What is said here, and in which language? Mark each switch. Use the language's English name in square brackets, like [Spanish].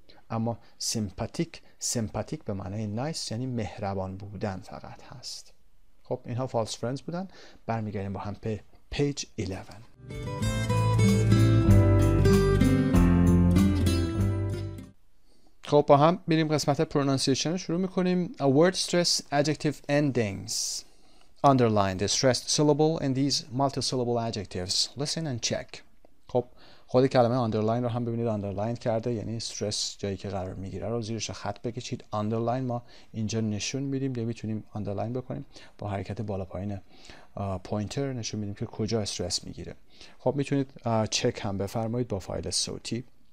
[Persian] اما sympathetic به معنی nice یعنی مهربان بودن فقط هست. خب اینها فالس فرندز بودن. برمیگردیم با هم به پیج 11. خب خب با هم میریم قسمت پرونانسیشن رو شروع میکنیم. [English] A word stress adjective endings. Underline the stressed syllable in these multi-syllable adjectives. Listen and check. [Persian] خب خود کلمه underline رو هم ببینید underline کرده، یعنی stress جایی که قرار میگیره رو زیرش خط بکشید. Underline ما اینجا نشون میدیم، نمیتونیم underline بکنیم، با حرکت بالا پایین pointer نشون میدیم که کجا stress میگیره. خب میتونید check هم بفرمایید با فایل صوتی.